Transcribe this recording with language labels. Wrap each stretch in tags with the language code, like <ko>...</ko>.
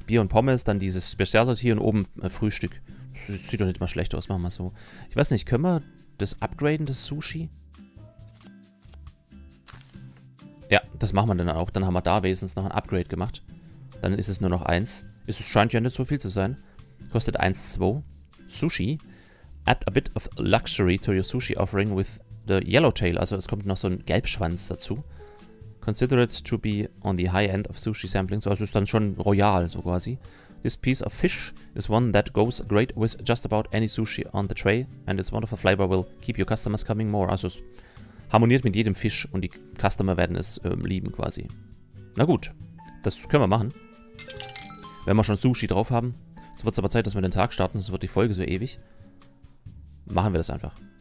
<de>Bier und Pommes, dann dieses Specialty und oben Frühstück. Das sieht doch nicht mal schlecht aus, machen wir so. Ich weiß nicht, können wir das upgraden, das Sushi? Ja, das machen wir dann auch. Dann haben wir da wenigstens noch ein Upgrade gemacht. Dann ist es nur noch eins. Es scheint ja nicht so viel zu sein. Kostet 1,2. Sushi.</de> <en>Add a bit of luxury to your sushi offering with the yellow tail.</en> <de>Also es kommt noch so ein Gelbschwanz dazu.</de> <en>Consider it to be on the high end of sushi sampling.</en> <de>Also es ist dann schon royal, so quasi.</de> <en>This piece of fish is one that goes great with just about any sushi on the tray. And its wonderful flavor will keep your customers coming more.</en> <de>Also es harmoniert mit jedem Fisch und die Customer werden es lieben quasi. Na gut, das können wir machen. Wenn wir schon Sushi drauf haben. Jetzt wird es aber Zeit, dass wir den Tag starten, sonst wird die Folge so ewig. Machen wir das einfach.</de>